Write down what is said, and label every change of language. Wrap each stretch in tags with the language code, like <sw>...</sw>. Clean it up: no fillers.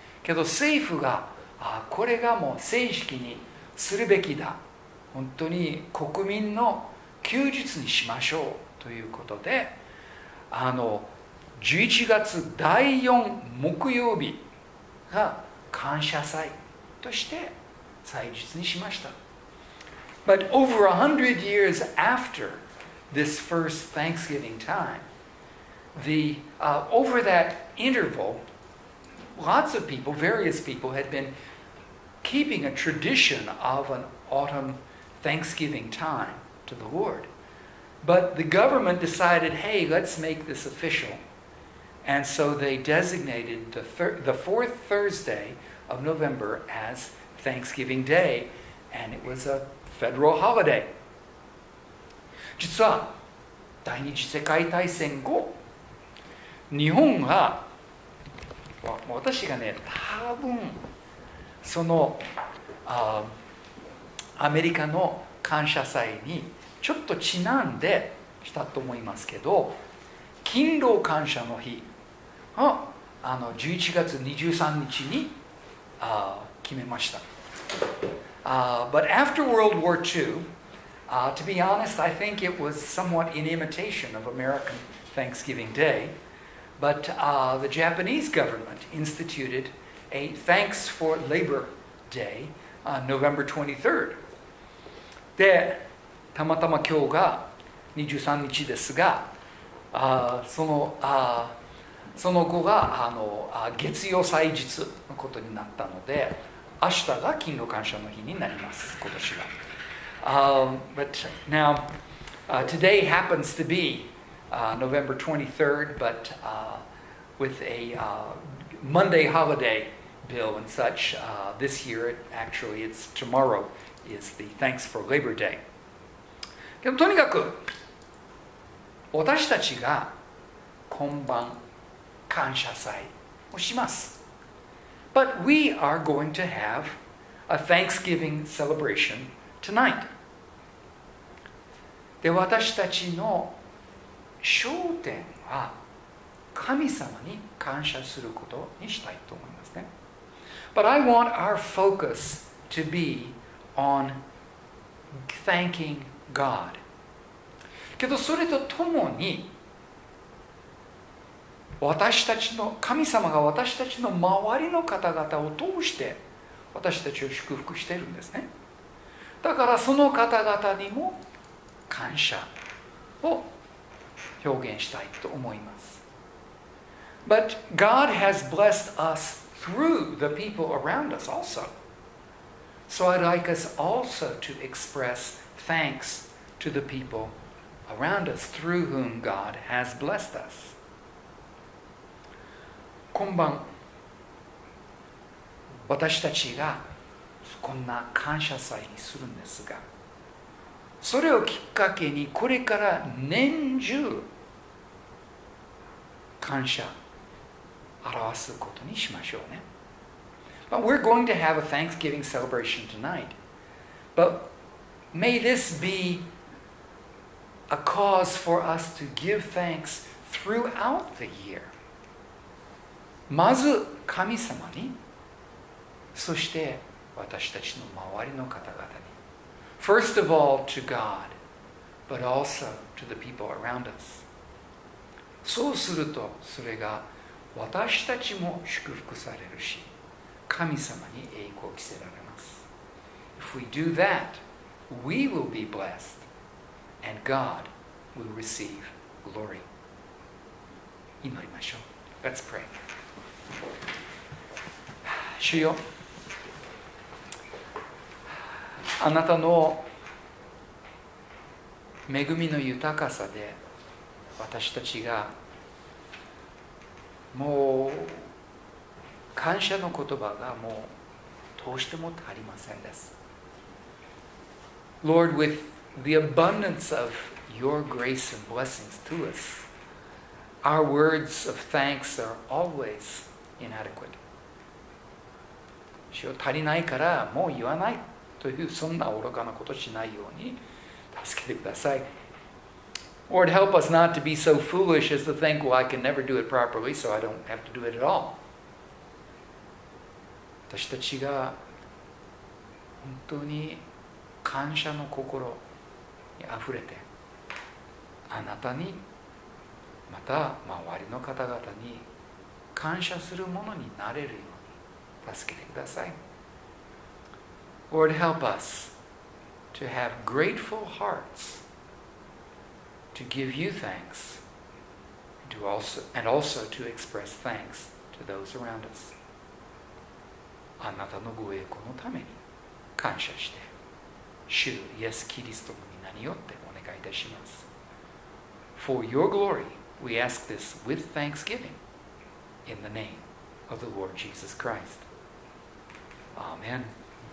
<ja>けど政府が、これがもう正式にするべきだ、本当に国民の休日にしましょうということで、11月第4木曜日が感謝祭として祭日にしました。</ja> <en>But over 100 years afterThis first Thanksgiving time, over that interval, lots of people, various people, had been keeping a tradition of an autumn Thanksgiving time to the Lord. But the government decided, hey, let's make this official. And so they designated the fourth Thursday of November as Thanksgiving Day, and it was a federal holiday.</en> <ja>実は第二次世界大戦後、日本が、私がね、多分そのアメリカの感謝祭にちょっとちなんでしたと思いますけど、勤労感謝の日を11月23日に決めました。</ja> <en>But after World War II, To be honest, I think it was somewhat in imitation of American Thanksgiving Day, but the Japanese government instituted a Thanks for Labor Day on November 23rd.</en> <ja>で、たまたま今日が23日ですが、その後が月曜祭日のことになったので、明日が勤労感謝の日になります、今年は。</ja> <en>But now, today happens to be November 23rd, but with a Monday holiday bill and such, this year, it's tomorrow, is the Thanks for Labor Day.</en> <ja>でもとにかく、私たちが今晩感謝祭をします。</ja> <en>But we are going to have a Thanksgiving celebration tonight.</en> <ja>で私たちの焦点は神様に感謝することにしたいと思いますね。</ja> <en>But I want our focus to be on thanking God.</en> <ja>けどそれとともに私たちの神様が私たちの周りの方々を通して私たちを祝福しているんですね。だからその方々にも感謝を表現したいと思います。</ja> <en>But God has blessed us through the people around us also. So I'd like us also to express thanks to the people around us through whom God has blessed us.</en> <ja>今晩、私たちがこんな感謝祭にするんですが、それをきっかけにこれから年中感謝表すことにしましょうね。</ja> <en>But we're going to have a Thanksgiving celebration tonight. But may this be a cause for us to give thanks throughout the year.</en> <ja>まず神様に、そして私たちの周りの方々。</ja> <en>First of all, to God, but also to the people around us.</en> <ja>そうすると、それが私たちも祝福されるし、神様に栄光を着せられます。</ja> <en>If we do that, we will be blessed, and God will receive glory.</en> <ja>祈りましょう。</ja> <en>Let's pray.</en> <ja>主よ。あなたの恵みの豊かさで私たちがもう感謝の言葉がもうどうしても足りませんです。</ja> <en>Lord, with the abundance of your grace and blessings to us, our words of thanks are always inadequate.</en> <ja>主よ、足りないからもう言わない。というそんな愚かなことしないように助けてください。</ja> <en>Lord, help us not to be so foolish as to think, well, I can never do it properly, so I don't have to do it at all.</en> <ja>私たちが本当に感謝の心にあふれて、あなたに、また周りの方々に感謝するものになれるように助けてください。</ja> <en>Lord, help us to have grateful hearts to give you thanks and also to express thanks to those around us.</en> <ja>あなたのご栄光のために感謝して、主イエス・キリストの名によってお願いいたします。</ja> <en>For your glory, we ask this with thanksgiving in the name of the Lord Jesus Christ. Amen.</en>